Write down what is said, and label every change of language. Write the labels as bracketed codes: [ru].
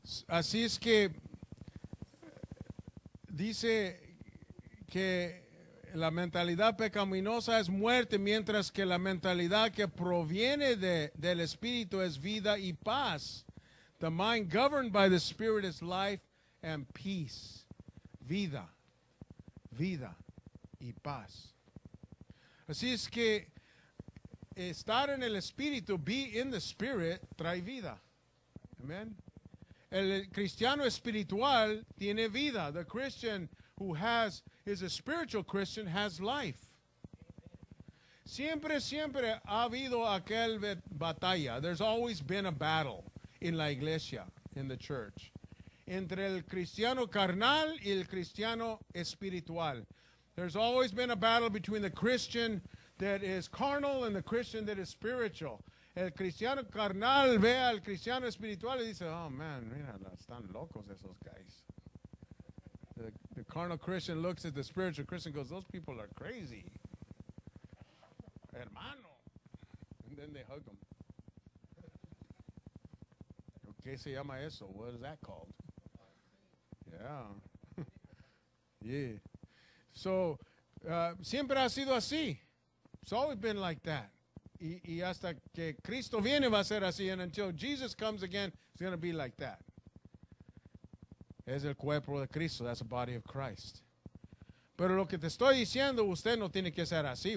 [es] Así es que dice que la mentalidad pecaminosa es muerte, mientras que la mentalidad que proviene del Espíritu es vida y paz. [en] The mind governed by the Spirit is life and peace. [es] Vida. Vida y paz. Así es que estar en el Espíritu, [en] be in the Spirit, [es] trae vida. Amen. El cristiano espiritual tiene vida. [en] The Christian who has is a spiritual Christian, has life. [es] Siempre, siempre ha habido aquel batalla. [en] There's always been a battle in [es] la iglesia, [en] in the church. [es] Entre el cristiano carnal y el cristiano espiritual. [en] There's always been a battle between the Christian that is carnal and the Christian that is spiritual. [es] El cristiano carnal ve al cristiano espiritual y dice, [en] oh man, [es] mira, están locos esos guys. [en] The carnal Christian looks at the spiritual Christian and goes, those people are crazy. [es] Hermano. [en] And then they hug him. [es] ¿Qué se llama eso? [en] What is that called? Yeah. Yeah. So, [es] siempre ha sido así. [en] It's always been like that. [es] Y hasta que Cristo viene va a ser así. [en] And until Jesus comes again, it's going to be like that. [es] Es el cuerpo de Cristo. [en] That's the body of Christ. [es] Pero lo que te estoy diciendo, usted no tiene que ser así.